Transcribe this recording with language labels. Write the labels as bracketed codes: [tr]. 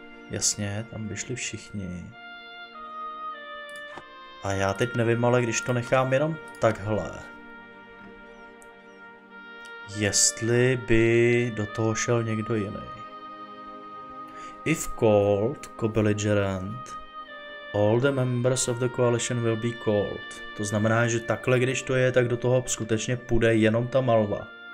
[cs] Jasně, tam by šli všichni. A já teď nevím, ale když to nechám jenom takhle. Jestli by do toho šel někdo jiný. [en] If called, co-belligerent, all the members of the coalition will be called. [cs] To znamená, že takhle, když to je, tak do toho skutečně půjde jenom ta Malva.